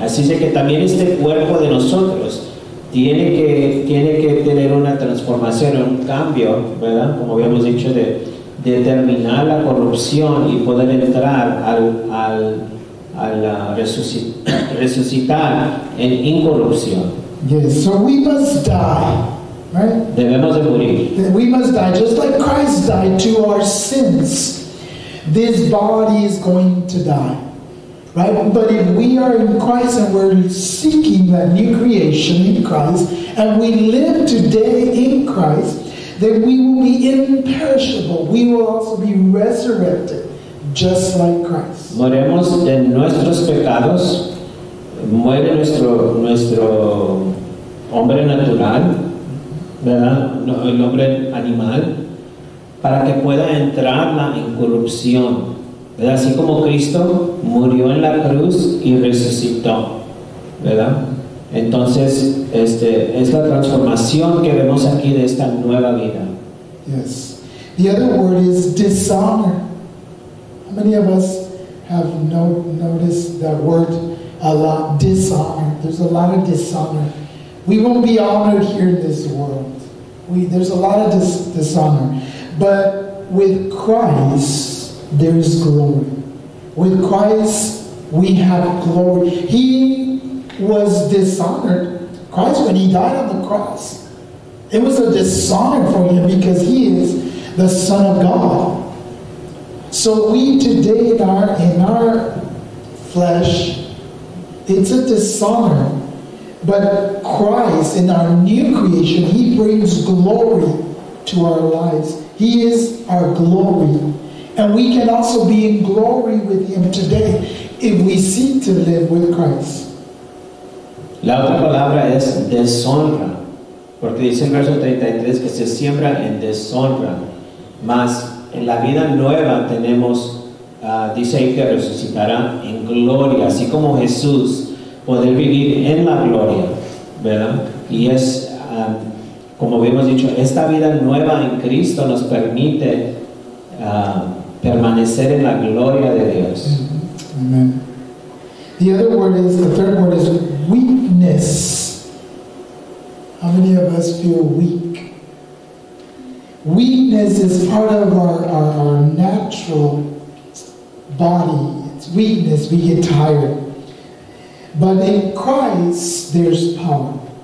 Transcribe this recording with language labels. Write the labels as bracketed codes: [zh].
[es] Así es que también este cuerpo de nosotros tiene que tener una transformación, un cambio, ¿verdad? Como habíamos dicho, de terminar la corrupción y poder entrar al resucitar en incorrupción. [en] Yes, so we must die, right? [es] Debemos de morir. [en] We must die, just like Christ died to our sins. This body is going to die, right? But if we are in Christ and we're seeking that new creation in Christ, and we live today in Christ, then we will be imperishable. We will also be resurrected, just like Christ. [es] Moremos de nuestros pecados, muere nuestro hombre natural, ¿verdad? El hombre animal, para que pueda entrar la incorrupción, ¿verdad? Así como Cristo murió en la cruz y resucitó, ¿verdad? Entonces, es la transformación que vemos aquí de esta nueva vida. [en] Yes. The other word is dishonor. How many of us have noticed that word a lot? Dishonor. There's a lot of dishonor. We won't be honored here in this world. There's a lot of dishonor. But with Christ, there is glory. With Christ, we have glory. He was dishonored. Christ, when He died on the cross, it was a dishonor for Him because He is the Son of God. So we today are in our flesh. It's a dishonor. But Christ, in our new creation, He brings glory to our lives. He is our glory. And we can also be in glory with Him today if we seek to live with Christ. [es] La otra palabra es deshonra. Porque dice en verso 33 que se siembra en deshonra. Mas en la vida nueva tenemos, dice ahí que resucitará en gloria. Así como Jesús, poder vivir en la gloria. ¿Verdad? Y es... Como habíamos dicho, esta vida nueva en Cristo nos permite permanecer en la gloria de Dios. Amen. [en] The other word is, the third word is weakness. How many of us feel weak? Weakness is part of our natural body. It's weakness, we get tired. But in Christ, there's power.